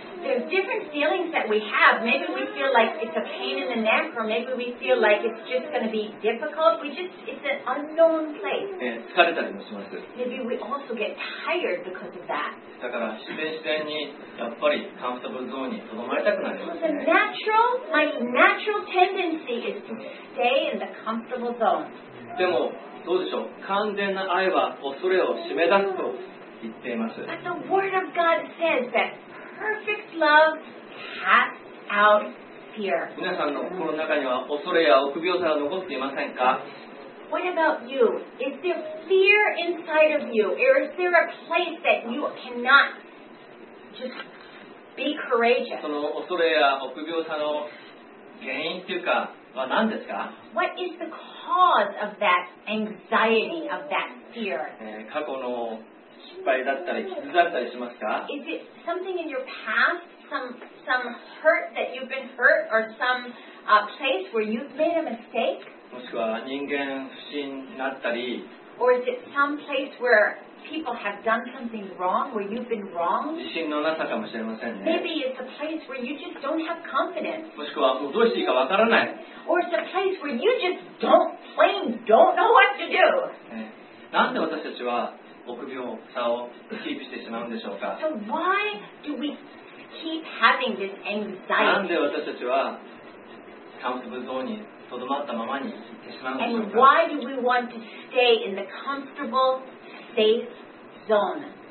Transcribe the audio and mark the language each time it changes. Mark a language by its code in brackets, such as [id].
[en] There's different feelings that we have. Maybe we feel like it's a pain in the neck, or maybe we feel like it's just going to be difficult. We just, it's an unknown place. [ja] 疲れたりもします。 [en] Maybe we also get tired because of that. [ja] だから自然自然にやっぱりカンフォートブルゾーンにとどまりたくなります、ね。 [en] So、the natural, my natural tendency is to stay in the comfortable zone. [ja] でもどうでしょう。完全な愛は恐れを締め出すと言っています。 [en] But the word of God says that. Perfect love casts out fear. [ja] 皆さんの心の中には恐れや臆病さは残っていませんか? [en] What about you? Is there fear inside of you? Or is there a place that you cannot just be courageous? [ja] その恐れや臆病さの原因というかは何ですか? [en] What is the cause of that anxiety, of that fear? [ja] 過去の失敗だったり傷だったりしますか? [en] Is it something in your past, some hurt that you've been hurt, or some place where you've made a mistake? [ja] もしくは人間不信になったり。 [en] Or is it some place where people have done something wrong, where you've been wrong? [ja] 自信のなさかもしれませんね。 [en] Maybe it's a place where you just don't have confidence. [ja] もしくはもうどうしていいかわからない。 [en] Or it's a place where you just don't plain don't know what to do. [ja] なんで私たちは臆病さをキープしてしまうんでしょうか。 [en] So why do we keep having this anxiety? [ja] なんで私たちはカンフォートゾーンにとどまったままにいってしまうんでしょうか。 [en] And why do we want to stay in the comfortable safe zone?